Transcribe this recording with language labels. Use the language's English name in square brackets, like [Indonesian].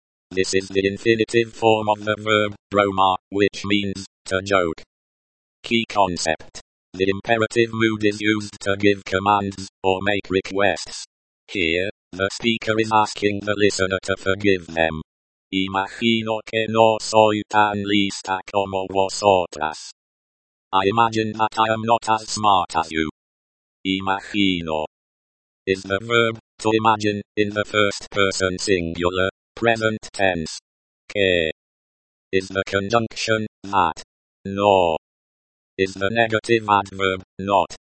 [English] This is the infinitive form of the verb, broma, which means, to joke. Key concept. The imperative mood is used to give commands, or make requests. Here, the speaker is asking the listener to forgive them. [Spanish] Imagino que no soy tan lista como vosotras. [English] I imagine that I am not as smart as you. Imagino is the verb, to imagine, in the first person singular, present tense. Que is the conjunction, that. No is the negative adverb, not.